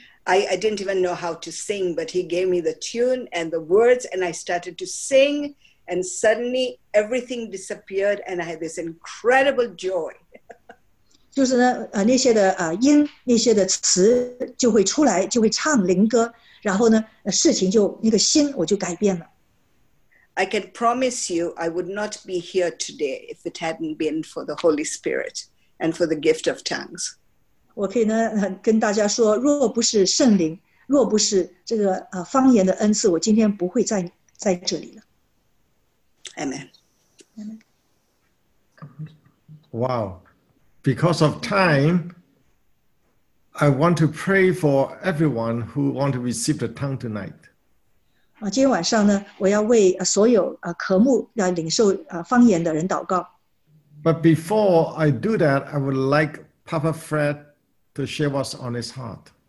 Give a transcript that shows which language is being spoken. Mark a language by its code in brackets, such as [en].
[en] I didn't even know how to sing, but he gave me the tune and the words, and I started to sing, and suddenly everything disappeared, and I had this incredible joy. [zh] 就是呢，那些的音，那些的词就会出来，就会唱灵歌。然后呢，事情就那个心我就改变了。 [en] I can promise you, I would not be here today if it hadn't been for the Holy Spirit and for the gift of tongues. [zh] 我可以呢跟大家说，若不是圣灵，若不是这个方言的恩赐，我今天不会在这里了。 [en] Amen. Wow, because of time. I want to pray for everyone who want to receive the tongue tonight. [zh] 今天晚上呢，我要为所有渴慕要领受方言的人祷告。 [en] But before I do that, I would like Papa Fred to share what's on his heart.